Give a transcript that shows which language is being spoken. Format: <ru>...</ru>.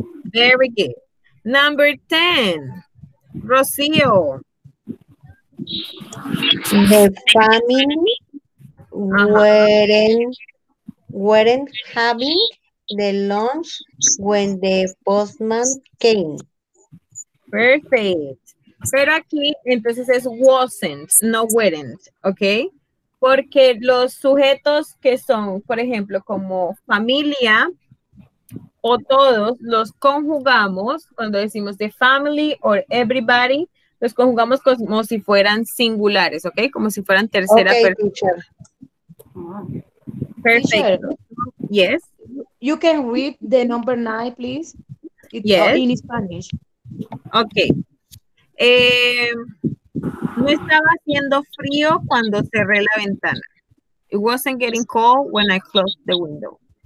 <en>Very good. Number 10, Rocio. The family weren't having the lunch when the postman came. Perfect.</en> <es>Pero aquí entonces es wasn't, no weren't, ¿ok? Porque los sujetos que son, por ejemplo, como familia o todos, los conjugamos cuando decimos</es> <en>the family or everybody,</en> <es>los conjugamos como si fueran singulares, ¿ok? Como si fueran tercera okay, persona.</es> <en>Teacher.</en> <es>Perfecto.</es> <en>Yes. You can read the number 9, please. It's yes. In Spanish. Ok.</en> <es>No estaba haciendo frío cuando cerré la ventana.</es> <en>It wasn't getting cold when I closed the window.</en>